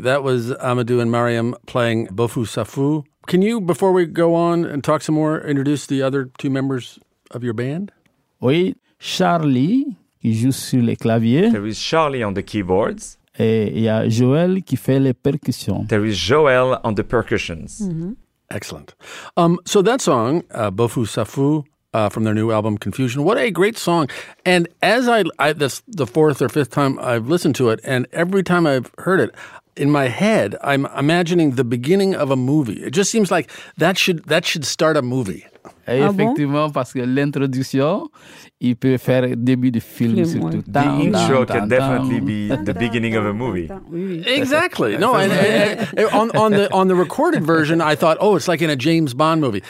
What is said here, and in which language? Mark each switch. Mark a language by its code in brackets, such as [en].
[en] That was Amadou and Mariam playing Bofu Safu. Can you, before we go on and talk some more, introduce the other two members of your band? [fr] Oui, Charlie, qui joue sur les claviers. [en] There is Charlie on the keyboards. [fr] Et il y a Joël qui fait les percussions. [en] There is Joël on the percussions. Mm-hmm. Excellent. So that song, Bofu Safu, from their new album, Confusion, what a great song. And as I that's the fourth or fifth time I've listened to it, and every time I've heard it, in my head, I'm imagining the beginning of a movie. It just seems like that should start a movie. [fr] Ah, effectivement, bon? Parce que l'introduction, il peut faire début de film surtout. [en] The intro can definitely be the beginning of a movie. Exactly. No, on the recorded version, I thought, oh, it's like in a James Bond movie.